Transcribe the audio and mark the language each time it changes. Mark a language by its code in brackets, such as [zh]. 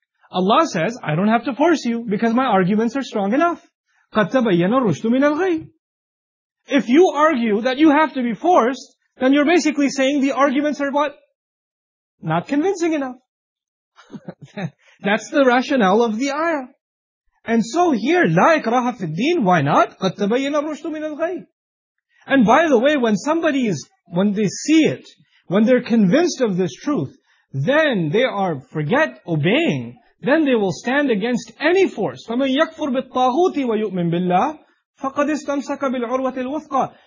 [en] Allah says, I don't have to force you because my arguments are strong enough. [ar] قَدْ تَبَيَّنَ الرُّشْدُ مِنَ الْغَيِّ. [en] If you argue that you have to be forced, then you're basically saying the arguments are what? Not convincing enough. That's the rationale of the ayah. And so here, [ar] لَا إِكْرَاهَ فِي الدِّينِ. [en] Why not? [ar] قَدْ تَبَيَّنَ الرُّشْدُ مِنَ الْغَيِّ. [en] And by the way, when somebody is, when they see it, when they're convinced of this truth, then they are, forget obeying, then they will stand against any force. [ar] فَمَنْ يَكْفُرْ بِالطَّاغُوتِ وَيُؤْمِنْ بِاللَّهِ فَقَدْ اسْتَمْسَكَ بِالْعُرْوَةِ الْوُثْقَى.